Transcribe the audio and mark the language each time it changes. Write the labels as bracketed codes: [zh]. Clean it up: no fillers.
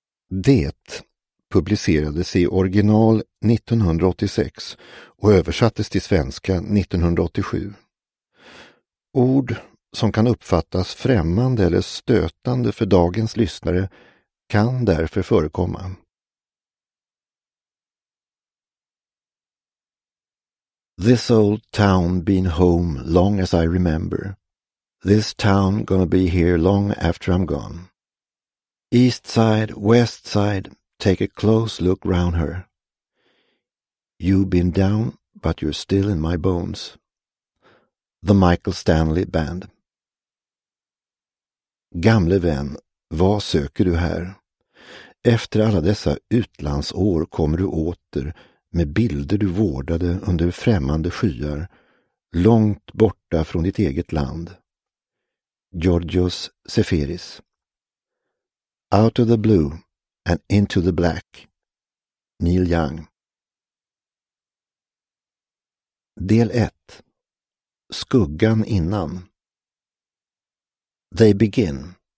[sv] Det publicerades i original 1986 och översattes till svenska 1987. Ord som kan uppfattas främmande eller stötande för dagens lyssnare kan därför förekomma. [en] This old town been home long as I remember. This town gonna be here long after I'm gone. East side, west side, take a close look round her. You've been down, but you're still in my bones. The Michael Stanley Band. [sv] Gamle vän, vad söker du här? Efter alla dessa utlandsår kommer du åter med bilder du vårdade under främmande skyar, långt borta från ditt eget land. Georgios Seferis. [en] Out of the blue and into the black. Neil Young. [sv] Del 1. Skuggan innan. [en] They begin.